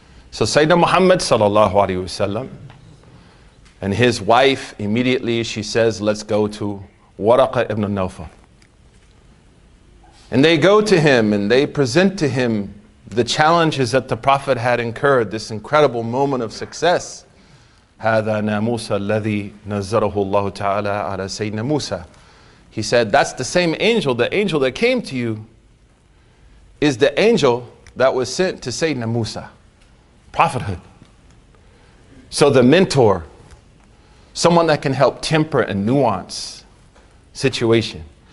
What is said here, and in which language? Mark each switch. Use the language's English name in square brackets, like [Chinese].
[English] So Sayyidina Muhammad sallallahu alayhi wasallam and his wife, immediately she says, let's go to Waraqa ibn Nawfal. And they go to him and they present to him the challenges that the Prophet had incurred, this incredible moment of success. [Arabic] هذا ناموس الذي نزله الله تعالى على سيدنا موسى. [English] He said, that's the same angel, the angel that came to you is the angel that was sent to Sayyidina Musa, prophethood. So the mentor, someone that can help temper and nuance situation.